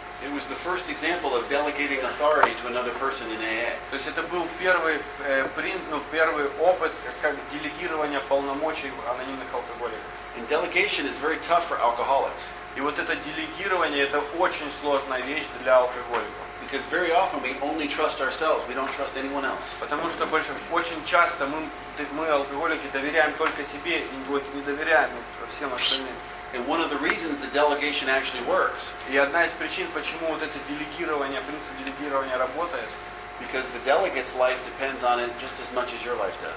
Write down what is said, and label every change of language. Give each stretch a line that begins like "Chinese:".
English: It was the first example of delegating authority to another person in AA.
Russian: То есть это был первый опыт как делегирования полномочий анонимных алкоголиков.
English: And delegation is very tough for alcoholics.
Russian: И вот это делегирование это очень сложная вещь для алкоголиков.
English: Because very often we only trust ourselves, we don't trust anyone else.
Russian: Потому что очень часто мы алкоголики доверяем только себе и не доверяем всем остальным.
English: And one of the reasons the delegation actually works.
Russian: И одна из причин, почему вот это делегирование, принцип делегирования работает.
English: Because the delegate's life depends on it just as much as your life does.